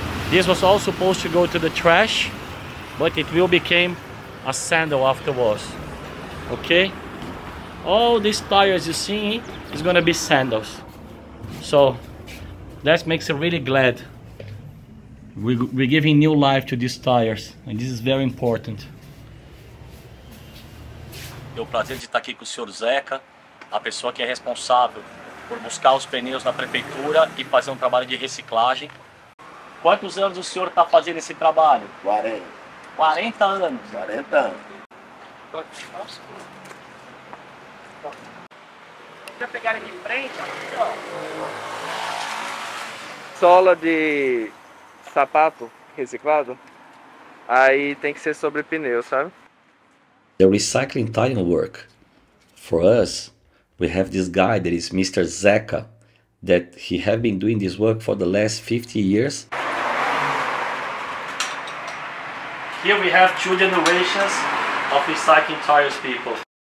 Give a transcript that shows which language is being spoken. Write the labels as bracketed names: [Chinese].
[English] This was all supposed to go to the trash, but it will become a sandal afterwards, okay? All these tires you see is gonna be sandals. So that makes me really glad. We're giving new life to these tires, and this is very important. [Portuguese] É um prazer de estar aqui com o senhor Zeca, a pessoa que é responsável por buscar os pneus na prefeitura e fazer um trabalho de reciclagem. Quantos anos o senhor está fazendo esse trabalho? 40. 40 anos? 40 anos. Já pegaram de frente? Sola de sapato reciclado, aí tem que ser sobre pneu, sabe? [English] The recycling tire work. For us, we have this guy that is Mr. Zeca, that he has been doing this work for the last 50 years. Here we have two generations of recycling tires people.